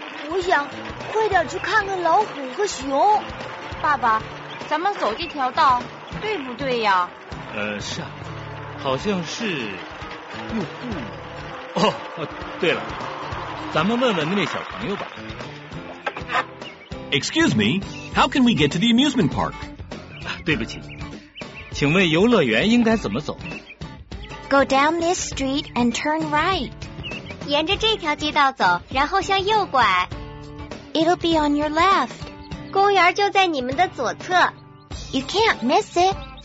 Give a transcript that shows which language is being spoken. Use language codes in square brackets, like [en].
[zh] 我想快点去看看老虎和熊。爸爸，咱们走这条道对不对呀？是啊，好像是，又不……对了，咱们问问那位小朋友吧。 [en] Excuse me, how can we get to the amusement park? [zh] 对不起。请问游乐园应该怎么走？ [en] Go down this street and turn right. [zh] 沿着这条街道走，然后向右拐。 [en] It'll be on your left. [zh] 公园就在你们的左侧。 [en] You can't miss it.